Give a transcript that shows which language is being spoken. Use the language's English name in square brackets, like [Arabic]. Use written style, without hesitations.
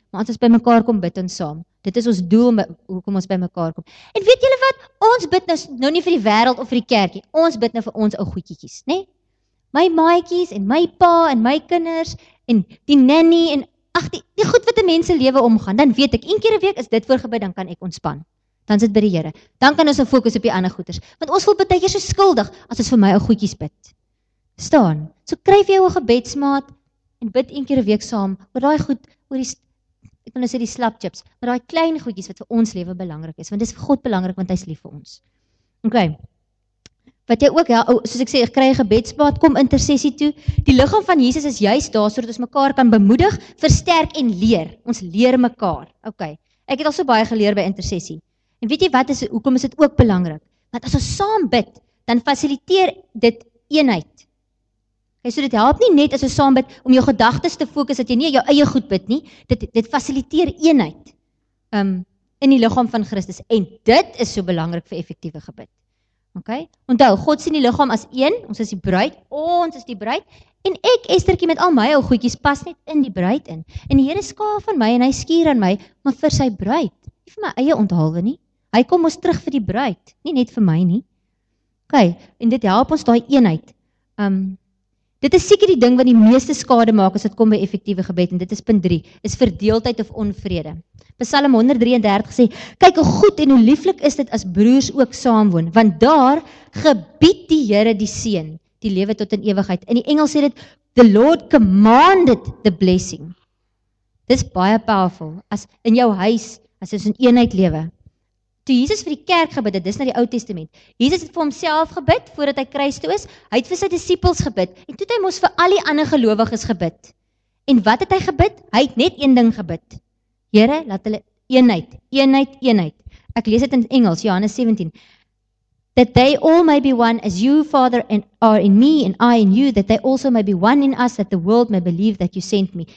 [Afrikaans] Maar ons is by mekaar kom bid ons saam. Dit is ons doel om hoekom ons by mekaar kom. En weet julle wat? Ons bid nou nie vir die wêreld of vir die kerkie. Ons bid nou vir ons ou goetjies, né? My maatjies en my pa en my kinders en die nanny en ag die goed wat 'n mens se lewe omgaan. Dan weet ek, een keer 'n week is dit voor gebid, dan kan ek ontspan. Dan sit by die Here. Dan kan ons ons fokus op die ander goeders. Want ons voel baie keer so skuldig as ons vir my ou goedjies bid. Staan. So kry vir jou 'n gebedsmaat en bid een keer 'n week saam oor daai goed, oor die ek wil sê die slap chips, maar daai klein goedjies wat vir ons lewe belangrik is, want dit is vir God belangrik want hy's lief vir ons. OK. Wat jy ook help, soos ek sê, kry 'n gebedsmaat, kom intersessie toe. Die liggaam van Jesus is juist daar sodat ons mekaar kan bemoedig, versterk en leer. Ons leer mekaar. OK. Ek het al so baie geleer by intersessie. En weet jy wat is hoekom is dit ook belangrik? Want as ons saam bid, dan fasiliteer dit eenheid. Okay, so dit help nie net as ons saam bid om jou gedagtes te fokus dat jy nie jou eie goed bid nie. Dit fasiliteer eenheid. In die liggaam van Christus en dit is so belangrik vir effektiewe gebed. Okay? Onthou, God sien die liggaam as een. Ons is die bruid. Ons is die bruid en ek Estertjie met al my ou goedjies pas net in die bruid in. En die Here skaaf van my en hy skuur aan my, maar vir sy bruid. Nie vir my eie onthaalwe nie. Hy kom ons terug vir die bruid, nie net vir my nie. OK, en dit help ons daai eenheid. Dit is seker die ding wat die meeste skade maak as dit kom by effektiewe gebed en dit is punt 3, is verdeeldheid of onvrede. Psalm 133 sê, kyk hoe goed en hoe lieflik is dit as broers ook saamwoon, want daar gebied die Here die seën, die lewe tot in ewigheid. In die Engels sê dit [English] the Lord commanded the blessing. [Afrikaans] Dit is baie powerful as in jou huis as ons in eenheid lewe. Toe Jesus vir die kerk gebid het, dis na die Ou Testament. Jesus het vir homself gebid voordat hy kruis toe is. Hy het vir sy disippels gebid en toe het hy mos vir al die ander gelowiges gebid. En wat het hy gebid? Hy het net een ding gebid. Here, laat hulle eenheid, eenheid, eenheid. Ek lees dit in Engels, Johannes 17. [English] That they all may be one as you, Father, are in me and I in you, that they also may be one in us, that the world may believe that you sent me.